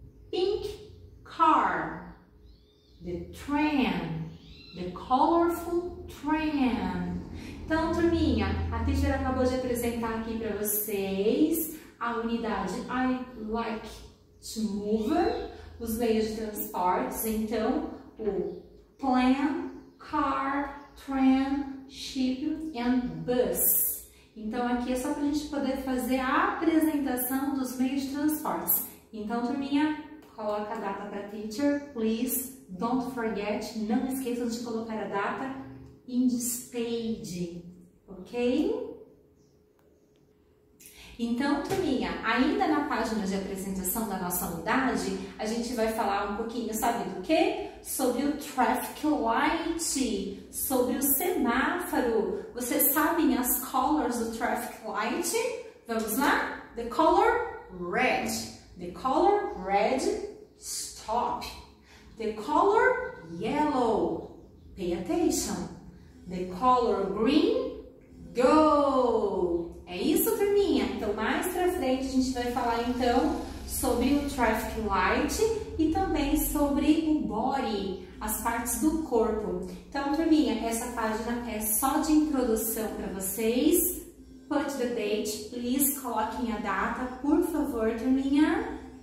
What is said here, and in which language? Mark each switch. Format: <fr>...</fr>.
<en>Pink car. The tram. The colorful tram.</en> <pt>Então, turminha, a teacher acabou de apresentar aqui para vocês a unidade</pt> <en>I like to move,</en> <pt>os meios de transportes. Então, o</pt> <en>plan, car, tram, ship and bus.</en> <pt>Então, aqui é só para a gente poder fazer a apresentação dos meios de transportes. Então, turminha, coloca a data para a teacher,</pt> <en>please. Don't forget,</en> <pt>não esqueçam de colocar a data</pt> <en>in this page, ok?</en> <pt>Então, turminha, ainda na página de apresentação da nossa unidade, a gente vai falar um pouquinho, sabe do quê? Sobre o traffic light, sobre o semáforo. Vocês sabem as colors do traffic light? Vamos lá?</pt> <en>The color red. The color red, stop. The color yellow, pay attention. The color green, go.</en> <pt>É isso, turminha. Então, mais pra frente, a gente vai falar, então, sobre o traffic light e também sobre o body, as partes do corpo. Então, turminha, essa página é só de introdução para vocês.</pt> <en>Put the date, please,</en> <pt>coloquem a data, por favor, turminha.</pt>